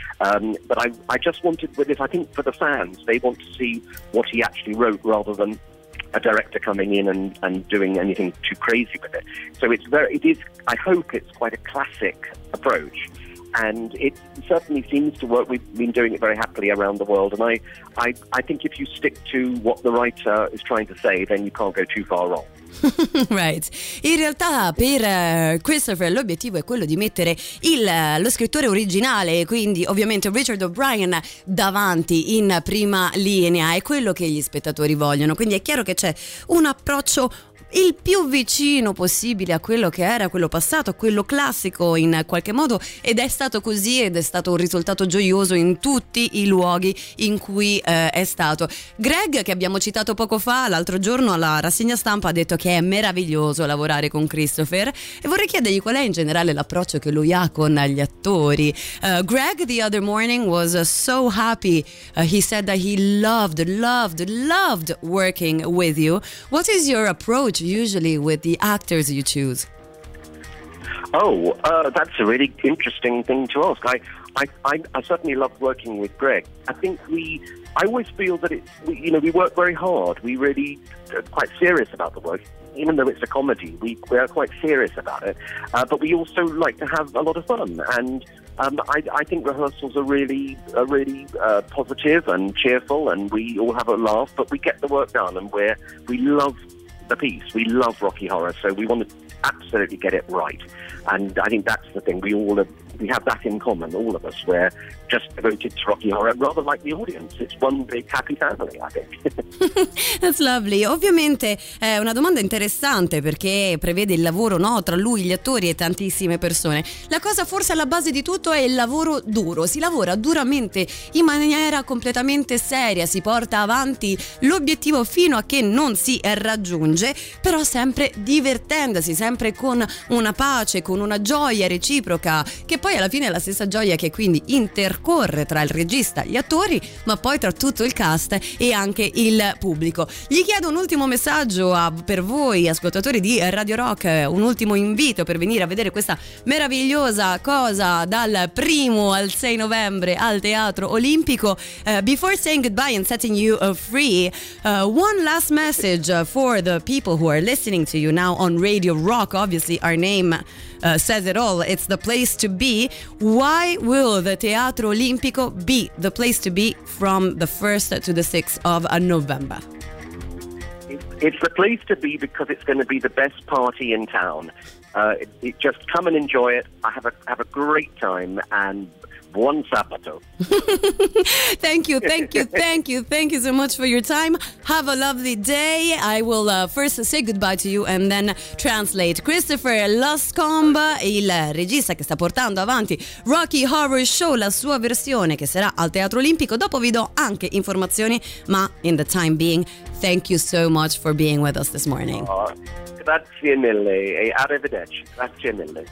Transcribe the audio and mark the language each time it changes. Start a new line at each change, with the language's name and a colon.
English: But I just wanted, with this, I think for the fans, they want to see what he actually wrote rather than a director coming in and doing anything too crazy with it. So I hope it's quite a classic approach, and it certainly seems to work. We've been doing it very happily around the world, and I think if you stick to what the writer is trying to say, then you can't go too far wrong. Right.
Italian: In realtà per Christophe l'obiettivo è quello di mettere lo scrittore originale, quindi ovviamente Richard O'Brien, davanti in prima linea. È quello che gli spettatori vogliono, quindi è chiaro che c'è un approccio il più vicino possibile a quello che era quello passato, a quello classico in qualche modo, ed è stato così, ed è stato un risultato gioioso in tutti i luoghi in cui è stato. Greg, che abbiamo citato poco fa, l'altro giorno alla rassegna stampa, ha detto che è meraviglioso lavorare con Christopher, e vorrei chiedergli qual è in generale l'approccio che lui ha con gli attori.
English: Greg the other morning was so happy, he said that he loved working with you. What is your approach usually with the actors you choose? That's a really interesting thing to ask. I certainly love working with Greg. I think I always feel that we work very hard. We really are quite serious about the work, even though it's a comedy. We are quite serious about it, but we also like to have a lot of fun. And I think rehearsals are really positive and cheerful, and we all have a laugh. But we get the work done, and we love the piece. We love Rocky Horror, so we want to absolutely get it right. And I think that's the thing. We have that in common, all of us. We're just devoted to Rocky Horror, rather like the audience. It's one big happy family, I think. That's lovely.
Italian: Ovviamente è una domanda interessante, perché prevede il lavoro, no, tra lui, gli attori e tantissime persone. La cosa forse alla base di tutto è il lavoro duro. Si lavora duramente, in maniera completamente seria, si porta avanti l'obiettivo fino a che non si raggiunge, però sempre divertendosi, sempre con una pace, con una gioia reciproca, che poi alla fine è la stessa gioia che quindi intercorre tra il regista, gli attori, ma poi tra tutto il cast e anche il pubblico. Gli chiedo un ultimo messaggio per voi ascoltatori di Radio Rock, un ultimo invito per venire a vedere questa meravigliosa cosa dal 1 al 6 novembre al Teatro Olimpico.
English: Before saying goodbye and setting you free, one last message for the people who are listening to you now on Radio Rock. Obviously our name says it all, it's the place to be. Why will the Teatro Olimpico be the place to be from the 1st to the 6th of November? It's the place to be because it's going to be the best party in town. It just come and enjoy it. I have a great time, and
Italian: buon sabato.
English: thank you so much for your time. Have a lovely day. I will first say goodbye to you and then translate.
Italian: Christopher Lascombe, il regista che sta portando avanti Rocky Horror Show, la sua versione che sarà al Teatro Olimpico. Dopo vi do anche informazioni, ma
English: in the time being, thank you so much for being with us this morning.
Italian: Grazie mille, e arrivederci. Grazie mille.